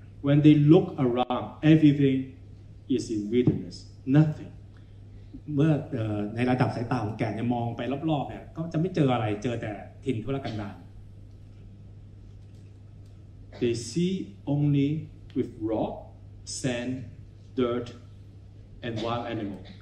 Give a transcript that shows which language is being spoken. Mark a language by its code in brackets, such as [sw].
[en] when they look around everything is in wilderness nothing [th] เมื่อในระดับสายตาของแกะเนี่ยมองไปรอบๆเนี่ยก็จะไม่เจออะไรเจอแต่ถิ่นทุรกันดาร [en] They see only with rock, sand, dirt, and wild animal